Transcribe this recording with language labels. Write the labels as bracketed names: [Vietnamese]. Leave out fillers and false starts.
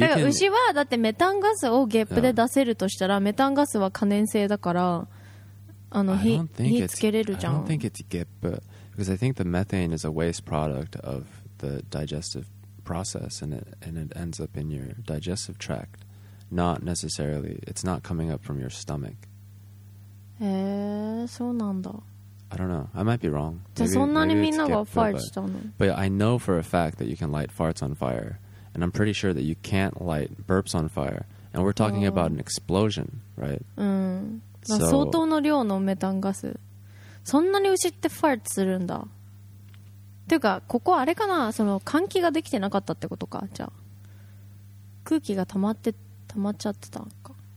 [English] can. [Japanese] だから牛はだってメタンガスをゲップで出せるとしたら、メタンガスは可燃性だから、あの火つけれるじゃん。 [English] I don't think it's gip, because I think the methane is a waste product of the digestive process, and it ends up in your digestive tract. Not necessarily. It's not coming up from your stomach. [Japanese] そうなんだ。 [English] I don't know. I might be wrong. [Japanese] じゃあそんなにみんながファーツしたの？ [English] But I know for a fact that you can light farts on fire. And I'm pretty sure that you can't light burps on fire. And we're talking about an explosion, right? [Japanese] うん。相当の量のメタンガス。そんなに牛ってファーツするんだ。ていうか、ここあれかな？その換気ができてなかったってことか。じゃあ。空気が溜まって溜まっちゃってたんか。